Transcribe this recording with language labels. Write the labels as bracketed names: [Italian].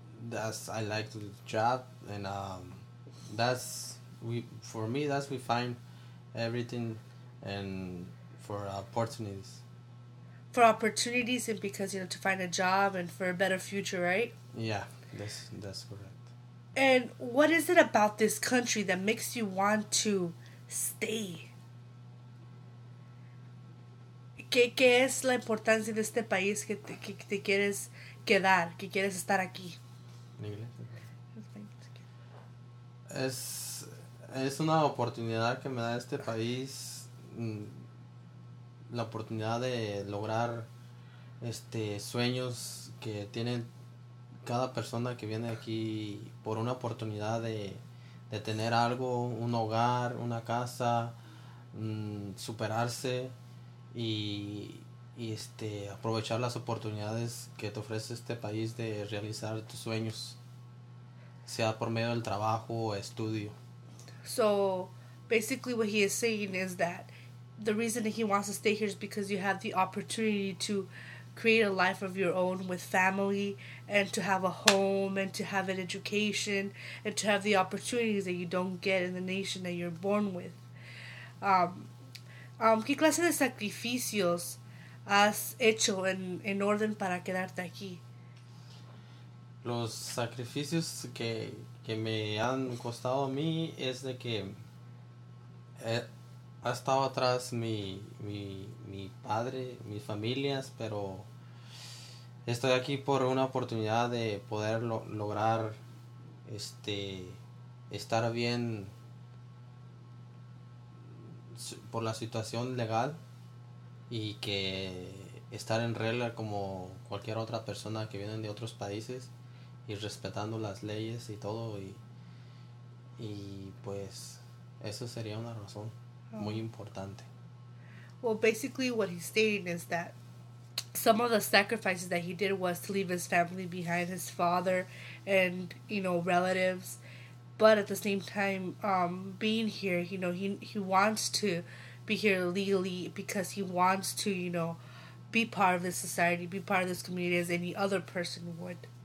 [English] That's I like the job and that's we find everything and for opportunities. For opportunities and because you know to find a job and for a better future, right? Yeah, that's correct. And what is it about this country that makes you want to stay? [Spanish] ¿Qué es la importancia de este país que te quieres quedar, que quieres estar aquí? ¿En inglés? Es una oportunidad que me da este país, la oportunidad de lograr sueños que tienen cada persona que viene aquí por una oportunidad de tener algo, un hogar, una casa, superarse y aprovechar las oportunidades que te ofrece este país de realizar tus sueños, sea por medio del trabajo o estudio. [English] So, basically what he is saying is that the reason that he wants to stay here is because you have the opportunity to create a life of your own with family and to have a home and to have an education and to have the opportunities that you don't get in the nation that you're born with. [Spanish] ¿Qué clase de sacrificios has hecho en orden para quedarte aquí? Los sacrificios que me han costado a mí es de que ha estado atrás mi padre, mis familias, pero estoy aquí por una oportunidad de poder lograr estar bien por la situación legal y que estar en regla como cualquier otra persona que viene de otros países y respetando las leyes y todo y pues eso sería una razón muy importante. [English] Well, basically what he's stating is that some of the sacrifices that he did was to leave his family behind, his father and, you know, relatives. But at the same time, being here, you know, he wants to be here legally because he wants to, you know, be part of this society, be part of this community as any other person would.